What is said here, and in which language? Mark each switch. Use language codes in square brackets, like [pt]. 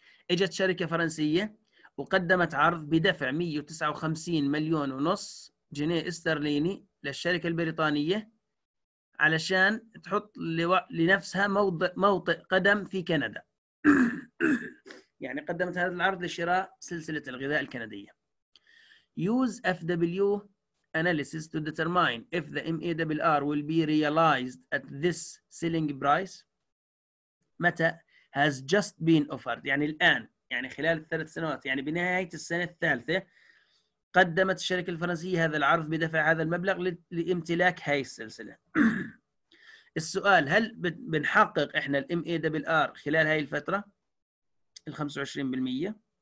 [ar] اجت شركة فرنسية وقدمت عرض بدفع 159 مليون ونص جنيه استرليني للشركة البريطانية علشان تحط لنفسها موطئ قدم في كندا. يعني قدمت هذا العرض لشراء سلسلة الغذاء الكندية. [en] Use FW analysis to determine if the MAWR will be realized at this selling price. [ar] متى [en] has just been offered. [ar] يعني الآن، يعني خلال الثلاث سنوات، يعني بنهاية السنة الثالثة قدمت الشركة الفرنسية هذا العرض بدفع هذا المبلغ لامتلاك هاي السلسلة. السؤال هل بنحقق إحنا الـ MAWR خلال هاي الفترة؟ ال 25%.